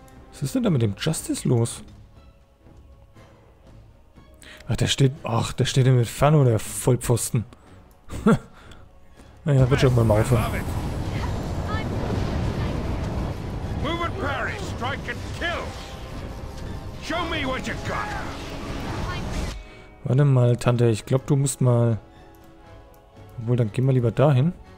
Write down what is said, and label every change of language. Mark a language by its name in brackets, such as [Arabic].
[German] Was ist denn da mit dem Justice los? Ach, der steht. Ach, der steht im Inferno, der Vollpfosten. Naja, wird schon mal aufhören. [English] Move and parry, strike and kill. Show me what you got. [German] Warte mal, Tante, ich glaube, du musst mal. Obwohl, dann gehen wir lieber dahin.